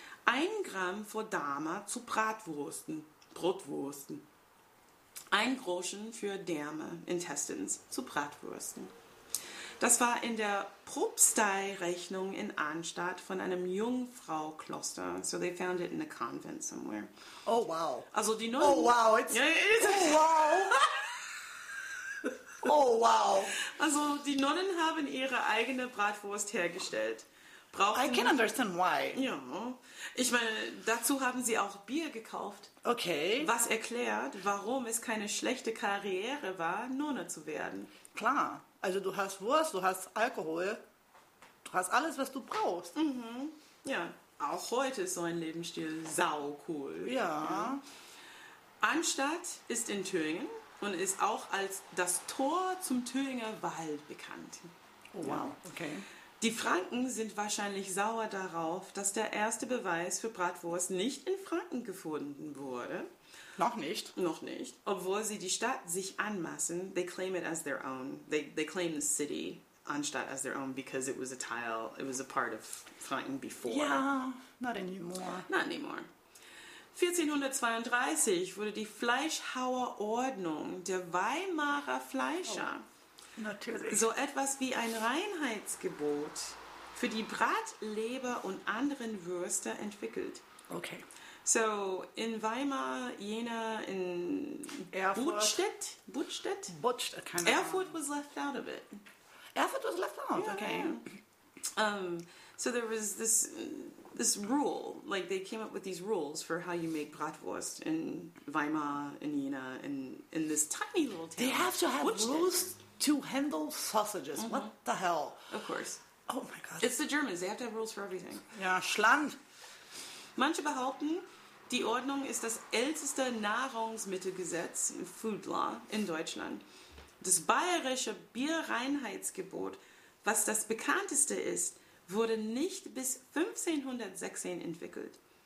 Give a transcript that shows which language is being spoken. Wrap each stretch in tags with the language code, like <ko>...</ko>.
<de>Ein Gramm für Dama zu Bratwursten, Brotwursten. Ein Groschen für Därme, Intestines, zu Bratwursten. Das war in der Propstei-Rechnung in Anstatt von einem Jungfraukloster.</de> <en>So they found it in a convent somewhere. Oh, wow.</en> <de>Also die Nonnen...</de> <en>Oh, wow. It's, oh, wow. Oh, wow.</en> <de>Also die Nonnen haben ihre eigene Bratwurst hergestellt.</de> <en>I can understand why.</en> <de>Ja. Ich meine, dazu haben sie auch Bier gekauft. Okay. Was erklärt, warum es keine schlechte Karriere war, Nonne zu werden. Klar. Also du hast Wurst, du hast Alkohol, du hast alles, was du brauchst. Mhm. Ja, auch heute ist so ein Lebensstil sau cool. Ja. Ja. Anstatt ist in Thüringen und ist auch als das Tor zum Thüringer Wald bekannt. Oh, wow, ja. Okay. Die Franken sind wahrscheinlich sauer darauf, dass der erste Beweis für Bratwurst nicht in Franken gefunden wurde. Noch nicht. Noch nicht. Obwohl sie die Stadt sich anmaßen,</de> <en>they claim it as their own. They claim the city anstatt as their own because it was a tile, it was a part of Franken before. Yeah, not anymore. Not anymore.</en> <de>1432 wurde die Fleischhauer Ordnung der Weimarer Fleischer, natürlich, so etwas wie ein Reinheitsgebot für die Bratleber und anderen Würste entwickelt. Okay. So, in Weimar, Jena, in Erfurt. Budstedt? Budstedt, keine</de> <en>Ahnung. Erfurt was left out of it. Erfurt was left out, yeah, okay. So there was this rule, like they came up with these rules for how you make Bratwurst in Weimar, in Jena, in this tiny little town. They have to have Budstedt. Rules to handle sausages. Mm-hmm. What the hell? Of course. Oh my God. It's the Germans, they have to have rules for everything.</en> <de>Ja, Schland. Manche behaupten, die Ordnung ist das älteste Nahrungsmittelgesetz, Food Law, in Deutschland. Das bayerische Bierreinheitsgebot, was das bekannteste ist, wurde nicht bis 1516 entwickelt.</de>